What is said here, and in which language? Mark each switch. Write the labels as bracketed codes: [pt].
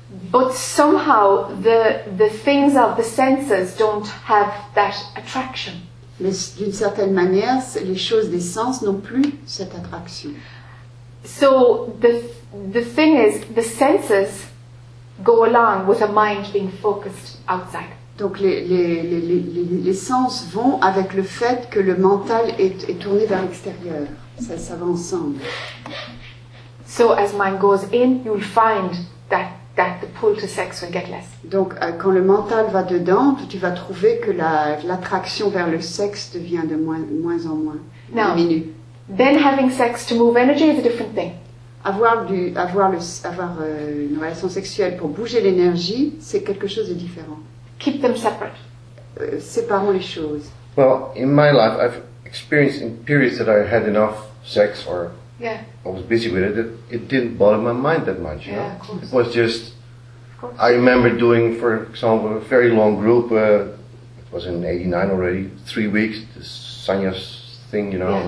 [en] But somehow the things of the senses don't have that attraction. [fr] Mais d'une certaine manière, les choses des sens n'ont plus cette attraction. [en] So the thing is, the senses go along with a mind being focused outside. [fr] Donc les sens vont avec le fait que le mental est tourné vers l'extérieur. Ça va ensemble. [en] So as mind goes in, you'll find that the pull to sex will get less. [fr] Donc quand le mental va dedans, tu vas trouver que l'attraction vers le sexe devient de moins en moins. [en] Now, [fr] diminue. [en] Then having sex to move energy is a different thing. [fr] Avoir une relation sexuelle pour bouger l'énergie, c'est quelque chose de différent. [en] Keep them separate. [fr] Séparons les choses. [en] Well, in my life, I've experienced in periods that I had enough sex or I was busy with it, that it didn't bother my mind that much. Yeah, you know? Of course. It was just, I remember doing, for example, a very long group, it was in 89 already, 3 weeks, the sannyas thing, you know,